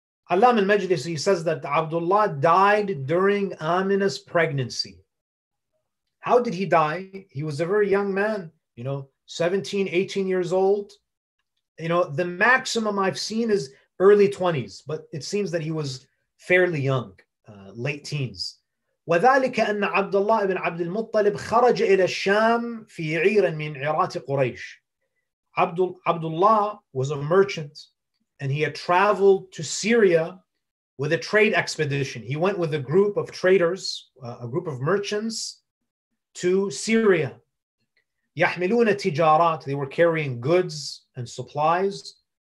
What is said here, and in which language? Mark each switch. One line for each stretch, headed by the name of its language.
English: Alam al-Majlisi, he says that Abdullah died during Amina's pregnancy. How did he die? He was a very young man, you know, 17, 18 years old. You know, the maximum I've seen is early 20s, but it seems that he was fairly young, late teens.
Arabic: وذلك أن عبد الله بن عبد المطلب خرج إلى الشام في عير من عيرات قريش.
English: Abdullah was a merchant and he had traveled to Syria with a trade expedition. He went with a group of traders, a group of merchants to Syria.
Arabic: يحملون تجارات.
English: They were carrying goods and supplies.